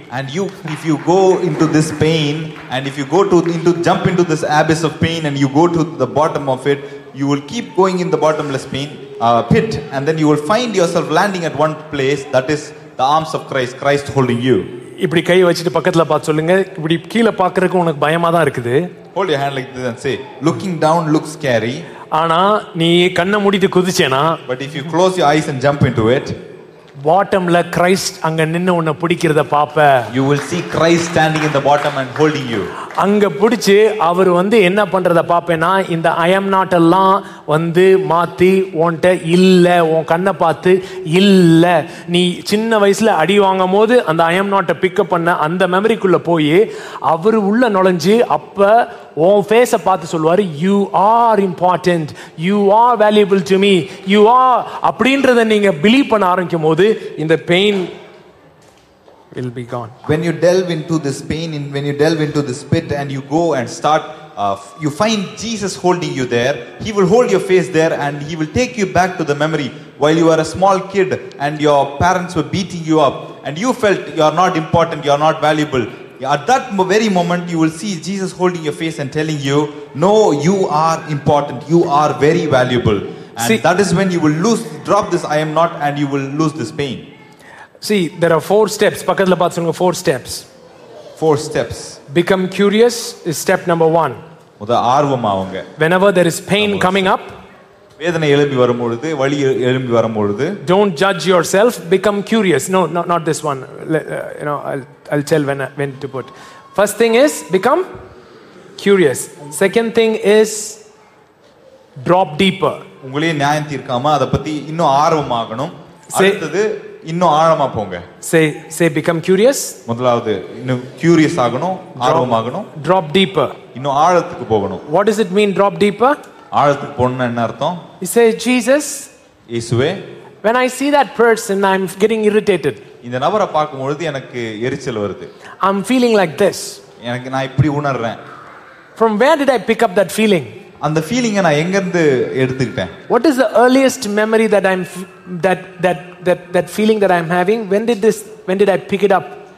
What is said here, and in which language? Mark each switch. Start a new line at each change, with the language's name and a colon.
English: and you if you go into this pain and if you go to into jump into this abyss of pain and you go to the bottom of it you will keep going in the bottomless pain pit and then you will find yourself landing at one place that is the arms of Christ Christ holding you
Tamil: இப்படி கை வச்சிட்டு பக்கத்துல பாத்து சொல்லுங்க இப்படி கீழ பாக்குறதுக்கு உனக்கு பயமா தான் இருக்குது
English: hold your hand like this and say looking down looks scary
Tamil: ஆனா நீ கண்ணை மூடிட்டு குதிச்சேனா
English: but if you close your eyes and jump into it
Tamil: bottomல Christ அங்க நின்னு உன்ன பிடிக்கிறத பாப்ப
English: you will see Christ standing in the bottom and holding you
Tamil: அங்க பிடிச்சு அவர் வந்து என்ன பண்றத பாப்பேனா இந்த I am not எல்லாம் வந்து மாத்தி உன்கிட்ட இல்ல உன் கண்ணை பார்த்து இல்ல நீ சின்ன வயசுல அடி வாங்கும் போது அந்த I am not pick up பண்ண அந்த மெமரிக்குள்ள போய் அவர் உள்ள நுழைஞ்சு அப்ப உன் ஃபேஸ பார்த்து சொல்லுவாரு
English: you are important you are
Tamil: valuable to me you are அப்படின்றத நீங்க பிலீவ் பண்ண ஆரம்பிக்கும் போது இந்த pain
English: will be gone when you delve into this pain in when you delve into this pit and you go and start you find Jesus holding you there he will hold your face there and he will take you back to the memory while you were a small kid and your parents were beating you up and you felt you are not important you are not valuable at that very moment you will see Jesus holding your face and telling you no you are important you are very valuable and see, that is when you will lose drop this I am not and you will lose this pain See, there are four steps.
Tamil: பக்கத்துல பாத்து சொல்லுங்க four steps.
English: Four steps. Become curious is step number one.
Tamil: முதல் ஆர்வம் ஆவுங்க.
English: Whenever there is pain coming up.
Tamil: வேதனை எழும்பி வரும்பொழுது, வலி எழும்பி வரும்பொழுது.
English: Don't judge yourself. Become curious. No, not, not this one. You know, I'll tell when, when to put. First thing is, become curious. Second thing is, drop deeper.
Tamil: உங்களே நியாயம் தீர்க்காம அதை பத்தி இன்னும் ஆர்வமாகணும். அடுத்தது இன்னும் ஆழமா போங்க
English: say say become curious
Tamil: முதலாவது இன்னும் curious ஆகணும் ஆர்வமாகணும்
English: drop deeper
Tamil: இன்னும் ஆழத்துக்கு போகணும்
English: what does it mean drop deeper
Tamil: ஆழத்துக்கு போறதுன்னா என்ன அர்த்தம்
English: he says jesus
Tamil: இயேசுவே
English: when i see that person i'm getting irritated
Tamil: இந்த நபரை பார்க்கும் பொழுது எனக்கு எரிச்சல் வருது
English: i'm feeling like this
Tamil: எனக்கு நான் இப்படி உணர்றேன்
English: from where did i pick up that feeling
Tamil: அந்த ஃபீலிங்க நான் எங்க இருந்து எடுத்துக்கிட்டேன்
English: what is the earliest memory that i'm that feeling that i'm having when did i pick it up